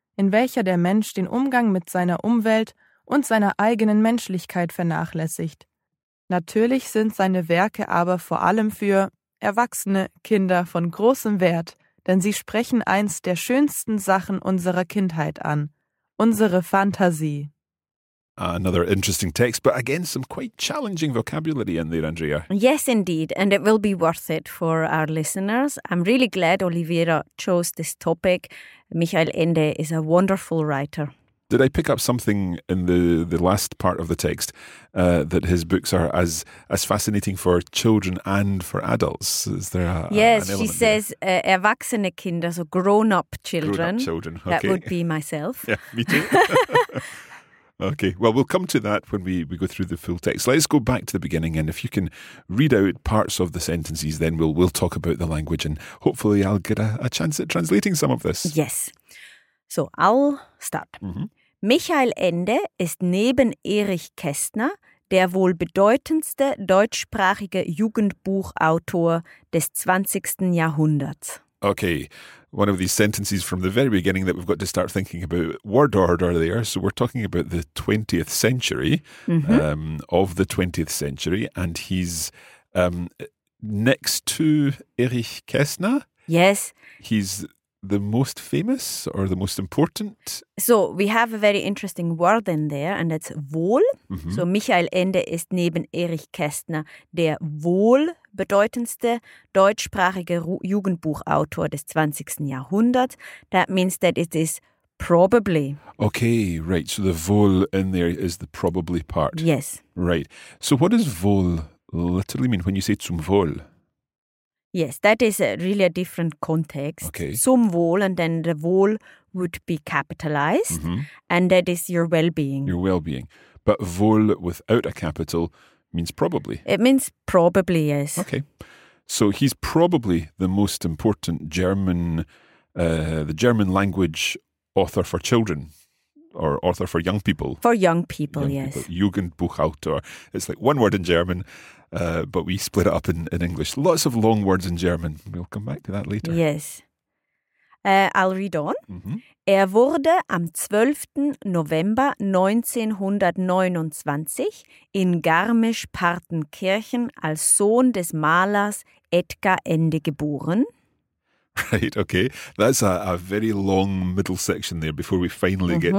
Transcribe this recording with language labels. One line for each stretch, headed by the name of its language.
German: in welcher der Mensch den Umgang mit seiner Umwelt und seiner eigenen Menschlichkeit vernachlässigt. Natürlich sind seine Werke aber vor allem für Erwachsene, Kinder von großem Wert, denn sie sprechen eins der schönsten Sachen unserer Kindheit an, unsere Fantasie.
English: Another interesting text, but again, some quite challenging vocabulary in there, Andrea. Yes, indeed. And it will be worth it for our listeners. I'm really glad Oliveira chose this topic. Michael Ende is a wonderful writer. Did I pick up something in the last part of the text that his books are as fascinating for children and for adults? Is there a, yes, an she says
German: erwachsene Kinder,
English: so grown-up children. Grown-up children, okay. That would be myself. Yeah, me too. Okay, well, we'll come to that when we go through the full text. Let's go back to the beginning, and if you can read out parts of the sentences, then we'll talk about the language, and hopefully I'll get a chance at translating some of this. Yes. So, I'll start. Mm-hmm.
German: Michael Ende ist neben Erich Kästner der wohl bedeutendste deutschsprachige Jugendbuchautor des 20. Jahrhunderts.
English: Okay, one of these sentences from the very beginning that we've got to start thinking about word order there. So we're talking about the 20th century, mm-hmm. Of the 20th century, and he's next to Erich Kästner. Yes. He's the most famous or the most important. So we have a very interesting word in there, and that's wohl. Mm-hmm.
German: So Michael Ende ist neben Erich Kästner der wohl bedeutendste deutschsprachige Jugendbuchautor des 20. Jahrhunderts.
English: That means that it is probably. Okay, right. So the wohl in there is the probably part. Yes. Right. So what does wohl literally mean when you say zum wohl? Yes, that is really a different context. Okay. Zum wohl, and then the wohl would be capitalized, mm-hmm. and that is your well-being. Your well-being. But wohl without a capital means probably. It means probably, yes. Okay. So he's probably the most important German, the German language author for children or author for young people. For young people, young yes. People. Jugendbuchautor. It's like one word in German, but we split it up in English. Lots of long words in German. We'll come back to that later. Yes. I'll read on. Mm-hmm.
German: Er wurde am 12. November 1929 in Garmisch-Partenkirchen als Sohn des Malers Edgar Ende geboren.
English: Right, okay. That's a very long middle section there before we finally mm-hmm.